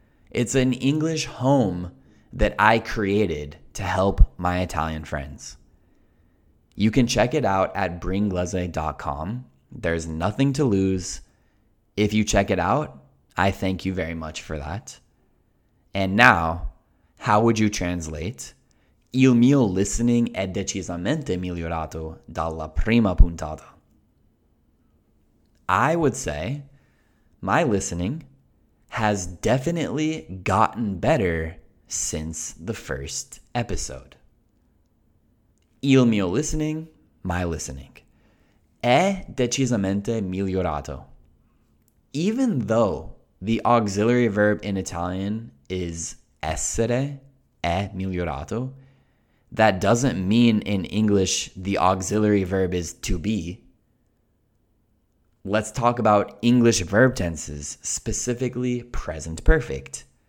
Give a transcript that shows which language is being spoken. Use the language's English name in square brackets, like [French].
[English] It's an English home that I created to help my Italian friends. You can check it out at bringlese.com. There's nothing to lose. If you check it out, I thank you very much for that. And now, how would you translate? [Italian] il mio listening è decisamente migliorato dalla prima puntata. [English] I would say my listening has definitely gotten better since the first episode. [Italian] Il mio listening, [English] my listening, [Italian] è decisamente migliorato. [English] Even though the auxiliary verb in Italian is essere, è migliorato, that doesn't mean in English the auxiliary verb is to be. Let's talk about English verb tenses, specifically present perfect.